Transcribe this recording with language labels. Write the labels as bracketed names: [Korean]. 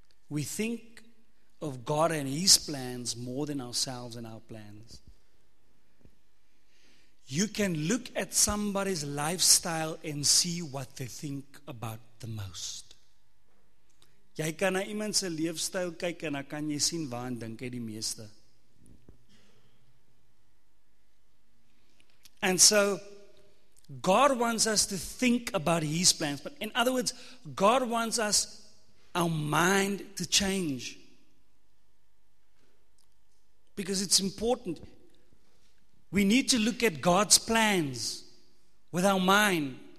[English] We think of God and His plans more than ourselves and our plans. You can look at somebody's lifestyle and see what they think about the most. [Afrikaans] Jy kan na iemand se leefstyl kyk en dan kan jy sien waaraan dink hy die meeste. [English] And so, God wants us to think about His plans. But in other words, God wants us, our mind, to change. Because it's important. We need to look at God's plans with our mind.